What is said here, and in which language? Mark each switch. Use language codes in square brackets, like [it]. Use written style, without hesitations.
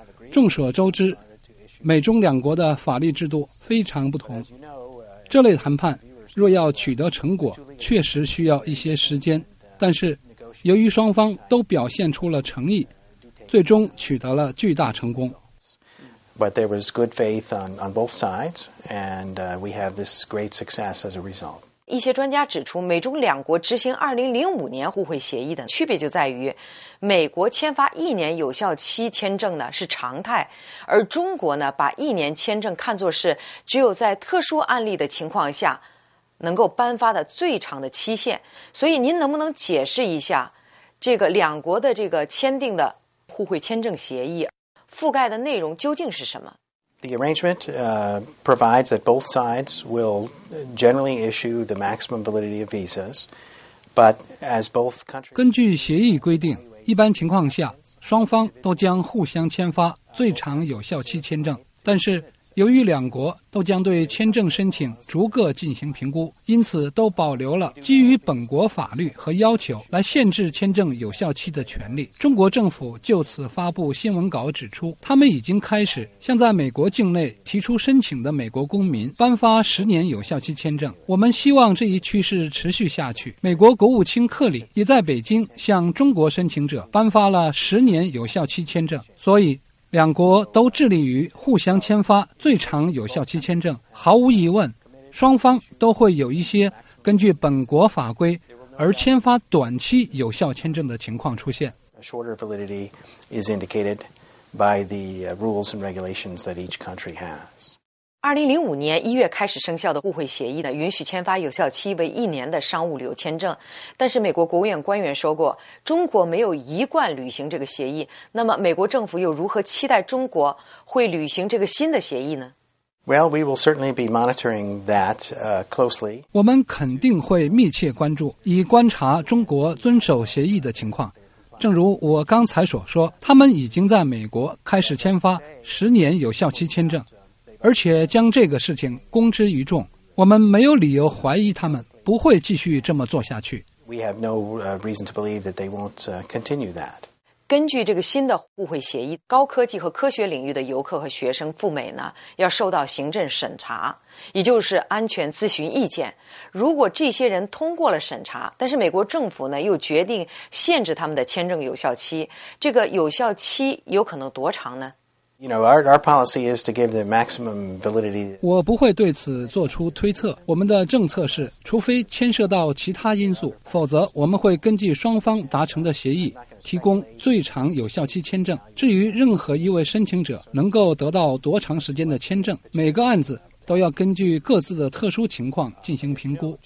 [zh] 众所周知，美中两国的法律制度非常不同，这类谈判若要取得成果，确实需要一些时间，但是由于双方都表现出了诚意，最终取得了巨大成功。 [en] But there was good faith on both sides, and we have this great success as a result. [zh] 一些专家指出，美中两国执行2005年互惠协议的区别就在于，美国签发一年有效期签证呢是常态，而中国呢把一年签证看作是只有在特殊案例的情况下能够颁发的最长的期限。所以您能不能解释一下这个两国的这个签订的互惠签证协议覆盖的内容究竟是什么？ [en] The arrangement provides that both sides will generally issue the maximum validity of visas, but as both countries. [zh] 根据协议规定，一般情况下，双方都将互相签发最长有效期签证。但是，由于两国都将对签证申请逐个进行评估，因此都保留了基于本国法律和要求来限制签证有效期的权利。中国政府就此发布新闻稿指出，他们已经开始向在美国境内提出申请的美国公民颁发十年有效期签证。我们希望这一趋势持续下去。美国国务卿克里也在北京向中国申请者颁发了十年有效期签证，所以两国都致力于互相签发最长有效期签证。毫无疑问，双方都会有一些根据本国法规而签发短期有效签证的情况出现。 [en] Shorter validity is indicated by the rules and regulations that each country has. [zh] 2005年1月开始生效的互惠协议呢，允许签发有效期为一年的商务旅游签证，但是美国国务院官员说过，中国没有一贯履行这个协议。那么美国政府又如何期待中国会履行这个新的协议呢？ [en] Well, we will certainly be monitoring that closely. [zh] 我们肯定会密切关注，以观察中国遵守协议的情况。正如我刚才所说，他们已经在美国开始签发十年有效期签证，而且将这个事情公之于众。我们没有理由怀疑他们不会继续这么做下去。 [en] We have no reason to believe that they won't continue that. [zh] 根据这个新的互惠协议，高科技和科学领域的游客和学生赴美呢，要受到行政审查，也就是安全咨询意见。如果这些人通过了审查，但是美国政府呢，又决定限制他们的签证有效期，这个有效期有可能多长呢？ [en] You know, our policy is to give the maximum validity. [zh] 我不会对此做出推测。我们的政策是，除非牵涉到其他因素，否则我们会根据双方达成的协议提供最长有效期签证。至于任何一位申请者能够得到多长时间的签证，每个案子都要根据各自的特殊情况进行评估。